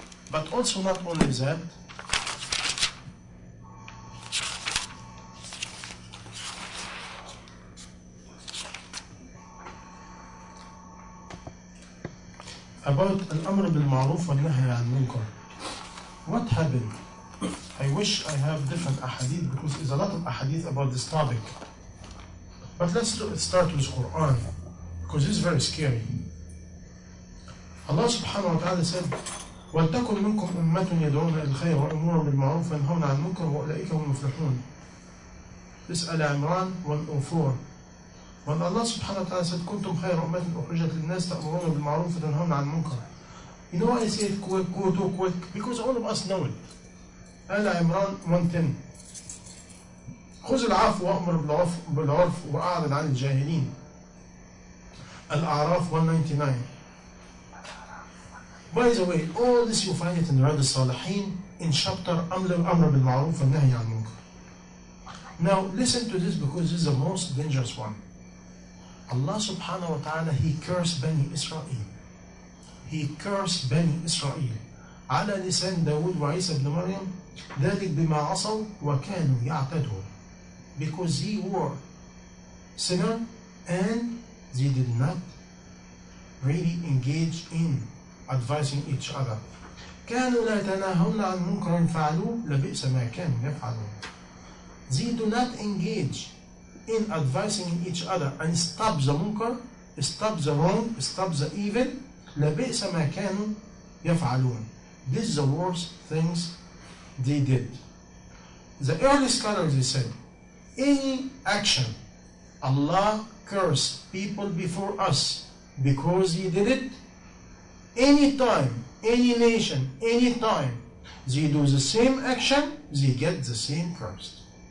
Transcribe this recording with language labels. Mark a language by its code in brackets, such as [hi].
[en] But also not only that, about al-amr bil-ma'ruf wal-nahy al-munkar. What happened? I wish I have different ahadith, because there's a lot of ahadith about this topic. But let's start with Quran, because this is very scary. [ar] Allah subhanahu wa ta'ala said, وَلْتَكُمْ مِنْكُمْ أُمَّةٌ يَدْعُونَ الْخَيْرِ وَأُمُورًا بِالْمَعْرُوفِ وَنْهَوْنَ عَنْ مُنْكَرْ وَأُولَئِكَ هُمُ الْمُفْلِحُونَ. [en] This is Al-Imran 104. [ar] When Allah subhanahu wa ta'ala said, كُنْتُمْ خَيْرَ أُمَّةٍ أُخْرِجَتْ لِلنَّاسِ تَأْمُرُونَ بِالْمَعْرُوفِ وَتَنْهَوْنَ عَنْ مُنْكَرْ. [en] You know why I say it quick, go too quick? Because all of us know it. [ar] Al-Imran 110. خُذِ الْعَفْوَ وَأْمُرْ بِالْعُرْفِ وَأَعْرِضْ عَنِ الْجَاهِلِينَ. [en] Al-A'raf 199. By the way, all this you find it in Riyad al-Salihin in chapter أَمْرَ بِالْمَعْرُوفِ وَالنَّهْيِ عَنِ الْمُنكَرِ. Now listen to this, because this is the most dangerous one. Allah subhanahu wa ta'ala, He cursed Bani Israel. He cursed Bani Israel. [ar] على لسان داود وعيسى بن مريم ذلك بما عصوا وكانوا يعتدون. [en] Because he were sinner and they did not really engage in advising each other. [ar] كانوا لا يتناهون عن منكر فعلوا لبئس ما كانوا يفعلون. [en] They do not engage in advising each other and stop the munkar, stop the wrong, stop the evil. [ar] لبئس ما كانوا يفعلون. [en] This is the worst things they did. The early scholars, they said, any action Allah cursed people before us because He did it, any time, any nation, any time they do the same action, they get the same curse.